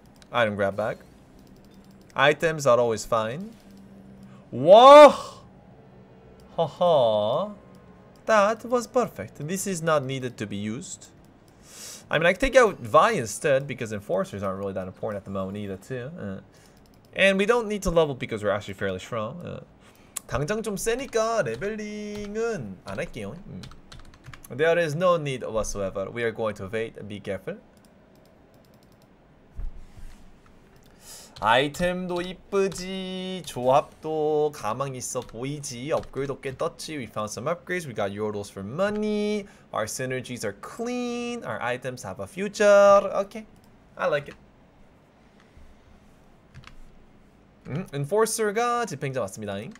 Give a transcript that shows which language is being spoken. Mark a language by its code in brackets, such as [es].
[en] Item grab bag. Items are always fine. Whoa! Ha ha. That was perfect. This is not needed to be used. I mean, I could take out Vi instead, because Enforcers aren't really that important at the moment either, too. And we don't need to level because we're actually fairly strong. [ko] 당장 좀 세니까 레벨링은 안 할게요. [en] There is no need whatsoever. We are going to wait and be careful. [ko] 아이템도 이쁘지, 조합도 가망 있어 보이지, 업그레이드도 꽤 떴지. [en] We found some upgrades, we got Yordles for money, our synergies are clean, our items have a future. Okay, I like it. [ko] Enforcer가 집행자 맞습니다.